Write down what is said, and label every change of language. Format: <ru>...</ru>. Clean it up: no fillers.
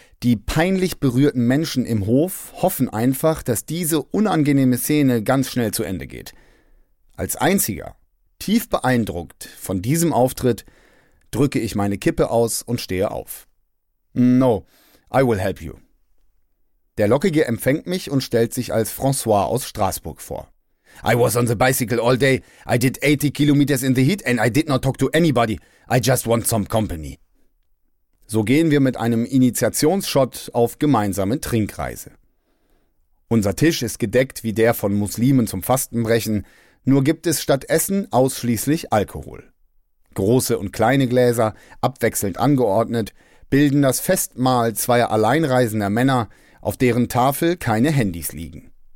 <de>Die peinlich berührten Menschen im Hof hoffen einfach, dass diese unangenehme Szene ganz schnell zu Ende geht. Als einziger, tief beeindruckt von diesem Auftritt, drücke ich meine Kippe aus und stehe auf.</de> <en>No, I will help you.</en> <de>Der Lockige empfängt mich und stellt sich als François aus Straßburg vor.</de> <en>I was on the bicycle all day, I did 80 kilometers in the heat and I did not talk to anybody, I just want some company.</en> <de>So gehen wir mit einem Initiationsshot auf gemeinsame Trinkreise. Unser Tisch ist gedeckt wie der von Muslimen zum Fastenbrechen, nur gibt es statt Essen ausschließlich Alkohol. Große und kleine Gläser, abwechselnd angeordnet, bilden das Festmahl zweier alleinreisender Männer, auf deren Tafel keine Handys liegen.</de>